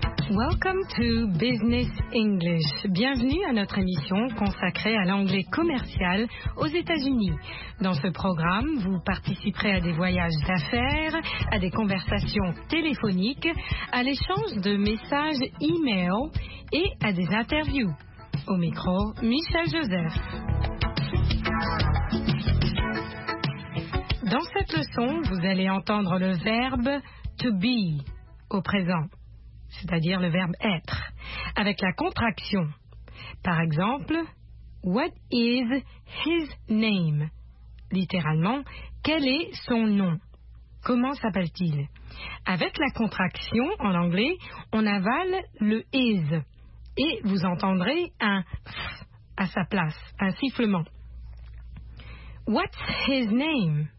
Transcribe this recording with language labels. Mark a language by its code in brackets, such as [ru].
[en] Welcome to Business English. [fr] Bienvenue à notre émission consacrée à l'anglais commercial aux États-Unis. Dans ce programme, vous participerez à des voyages d'affaires, à des conversations téléphoniques, à l'échange de messages e-mail et à des interviews. Au micro, Michel Joseph. Dans cette leçon, vous allez entendre le verbe to be au présent, c'est-à-dire le verbe être, avec la contraction. Par exemple, [en] what is his name? [fr] Littéralement, quel est son nom? Comment s'appelle-t-il? Avec la contraction, en anglais, on avale le is et vous entendrez un f à sa place, un sifflement. [en] What's his name?